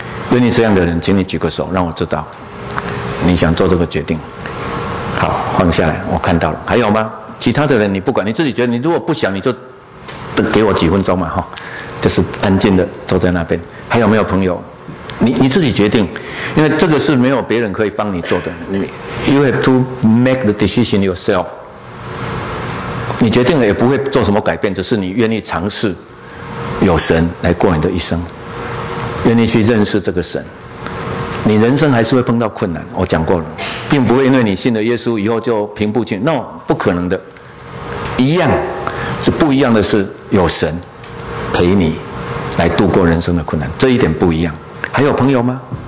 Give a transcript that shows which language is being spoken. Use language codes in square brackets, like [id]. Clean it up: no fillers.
[zh] 愿意这样的人，请你举个手，让我知道你想做这个决定。好，放下来，我看到了。还有吗？其他的人，你不管，你自己觉得，你如果不想，你就给我几分钟嘛，哈，就是安静的坐在那边。还有没有朋友？你自己决定，因为这个是没有别人可以帮你做的。 [en] You have to make the decision yourself。 [zh] 你决定了也不会做什么改变，只是你愿意尝试有神来过你的一生，愿意去认识这个神。你人生还是会碰到困难，我讲过了，并不会因为你信了耶稣以后就平步青云。 No， 不可能的，一样是不一样的是有神陪你来度过人生的困难，这一点不一样。还有朋友吗？